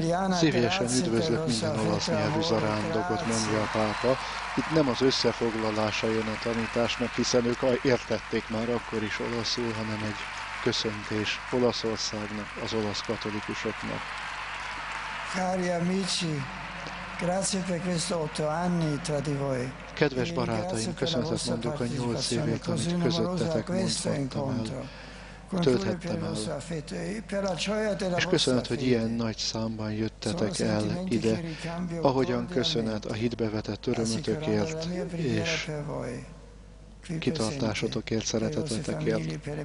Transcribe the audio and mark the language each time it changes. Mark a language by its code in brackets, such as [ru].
[hu] Szívesen üdvözlök minden olasz nyelvű zarándokot, mondja a pápa. Itt nem az összefoglalása jön a tanításnak, hiszen ők értették már akkor is olaszul, hanem egy köszöntés Olaszországnak, az olasz katolikusoknak. [it] Cari amici, grazie per questi 8 anni tra di voi. [hu] Kedves barátaim, köszönetet mondok a 8 évét, amit közöttetek mondhattam el. Tölthettem el. És köszönet, hogy ilyen nagy számban jöttetek el ide, ahogyan köszönet a hitbe vetett örömötökért és kitartásotokért, szeretetetekért.